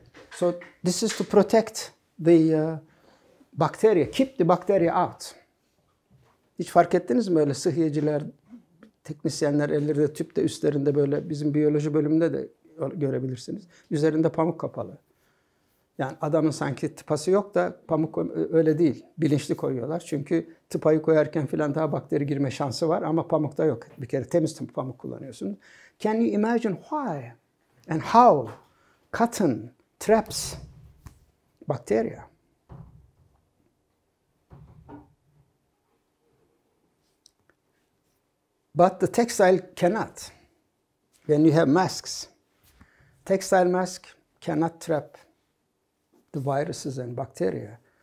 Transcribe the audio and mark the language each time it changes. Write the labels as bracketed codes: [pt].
[en] So this is to protect the bacteria, keep the bacteria out. [tr] Hiç fark ettiniz mi öyle sıhhiyeciler, teknisyenler ellerinde tüp de üstlerinde böyle bizim biyoloji bölümünde de görebilirsiniz. Üzerinde pamuk kapalı. Yani adamın sanki tıpası yok da pamuk öyle değil. Bilinçli koyuyorlar. Çünkü tıpayı koyarken filan daha bakteri girme şansı var ama pamukta yok. Bir kere temiz pamuk kullanıyorsun. [en] Can you imagine why and how cotton traps bacteria? But the textile cannot. When you have masks, textile mask cannot trap the viruses and bacteria.